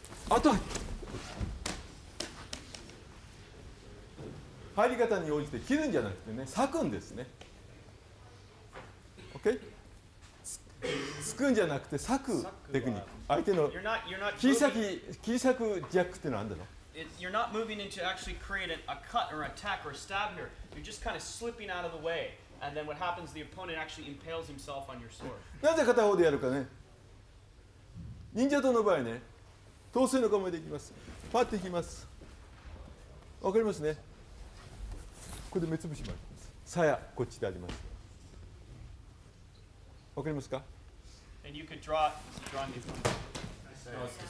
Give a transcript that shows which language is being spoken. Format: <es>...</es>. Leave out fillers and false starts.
<ja>あとは入り方に応じて切るんじゃなくてね、裂くんですね。 OK。突くんじゃなくて裂くテクニック。相手の切り裂き、切り裂くジャックってのはあるんだろ。</ja> <en>You're not moving into actually creating a cut or attack or a stab here. You're just kind of slipping out of the way. And then what happens, the opponent actually impales himself on your sword.</en> <ja>なぜ片方でやるかね。忍者刀の場合ね、刀身の構えでいきます。パッていきます。わかりますね。これで目つぶしもあります。鞘こっちであります。わかりますか。</ja> <en>And you could draw me from the</en>